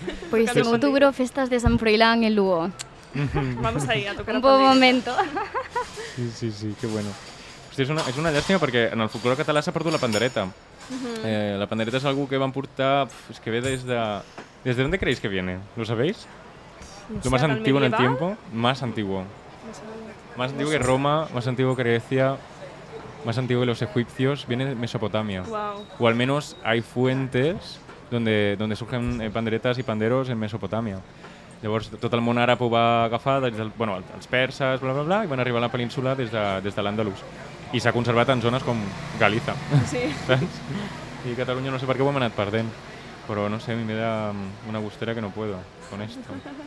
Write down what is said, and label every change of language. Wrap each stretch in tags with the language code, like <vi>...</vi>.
<gl>Pois pues en octubre, festas de San Froilán en Lugo. Vamos aí, a tocar</gl> <es>un poco momento. Sí, sí, sí, qué bueno.</es> <ca>És una llàstima perquè en el folclore català s'ha perdut la pandereta. Uh-huh. La pandereta és algú que van portar... És que ve des de... Des de on creus que</ca> <es>viene? ¿Lo sabéis? No lo sé, más antiguo medieval? En el tiempo. Más antiguo. Más antiguo que Roma, más antiguo que Grecia, más antiguo que los egipcios. Viene de Mesopotamia. Wow. O al menos hay fuentes donde surgen panderetas y panderos en Mesopotamia.</es> <ca>Llavors, tot el món àrab ho va agafar, bueno, els perses, bla, bla, bla, i van arribar a la península des de l'Andalus. I s'ha conservat en zones com Galícia. Sí. I Catalunya, no sé per què ho hem anat perdent, però no sé, a mi m'he de</ca> <es>una gustera que no puedo con esto.</es>